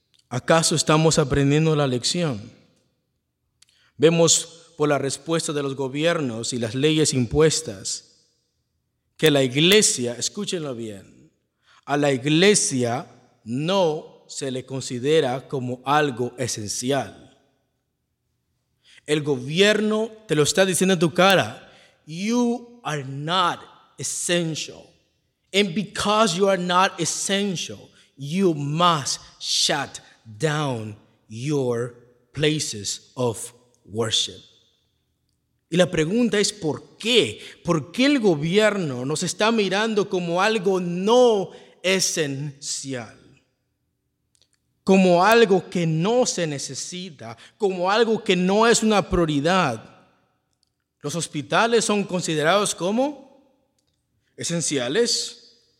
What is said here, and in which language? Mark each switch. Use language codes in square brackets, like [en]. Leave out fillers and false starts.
[es] ¿Acaso estamos aprendiendo la lección? Vemos por la respuesta de los gobiernos y las leyes impuestas que la iglesia, escúchenlo bien, a la iglesia no se le considera como algo esencial. El gobierno te lo está diciendo en tu cara. [en] You are not essential. And because you are not essential, you must shut down your places of worship. [es] Y la pregunta es, ¿por qué? ¿Por qué el gobierno nos está mirando como algo no esencial? Como algo que no se necesita, como algo que no es una prioridad. Los hospitales son considerados como esenciales.